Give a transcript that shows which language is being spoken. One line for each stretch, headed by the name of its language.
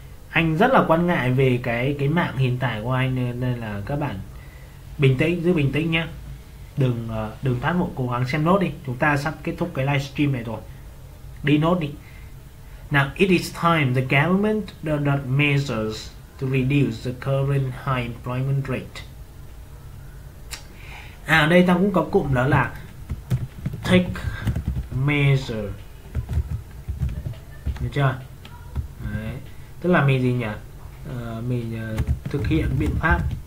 Vietnamese: anh rất là quan ngại về cái mạng hiện tại của anh, nên là các bạn bình tĩnh, giữ bình tĩnh nhé, đừng đừng thoát mộ, cố gắng xem nốt đi, chúng ta sắp kết thúc cái livestream này rồi, đi nốt đi.
English: Now it is time the government adopt measures to reduce the current high employment rate.
Vietnamese: À ở đây ta cũng có cụm đó là take measure. Được chưa? Đấy. Tức là mình gì nhỉ? Mình thực hiện biện pháp.